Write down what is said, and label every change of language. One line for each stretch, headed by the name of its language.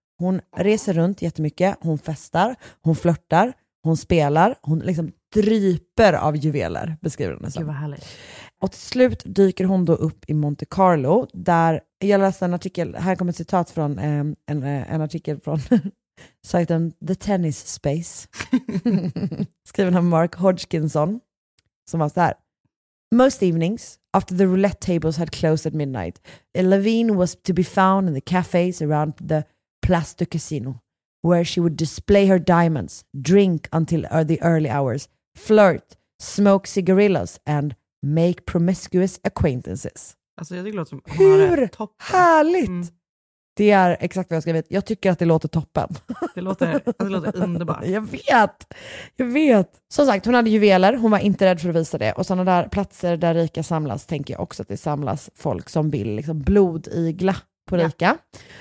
Swedish: Hon reser runt jättemycket, hon festar, hon flörtar, hon spelar, hon liksom dryper av juveler, beskriver hon det som. Gud vad härligt. Och till slut dyker hon då upp i Monte Carlo där jag läste en artikel, här kommer ett citat från en artikel från sajten The Tennis Space. Skriven av Mark Hodgkinson som var så här:
English: "Most evenings, after the roulette tables had closed at midnight, Levine was to be found in the cafes around the Place du Casino, where she would display her diamonds, drink until the early hours, flirt, smoke cigarillos, and make promiscuous acquaintances."
Swedish: Alltså, jag tycker det låter som att hon har det toppen. Hur härligt! Mm. Det är exakt vad jag skrev. Jag tycker att det låter toppen. Det låter underbart. Jag vet. Som sagt, hon hade juveler. Hon var inte rädd för att visa det. Och sådana där platser där rika samlas, tänker jag också att det samlas folk som vill liksom blodigla på rika. Ja.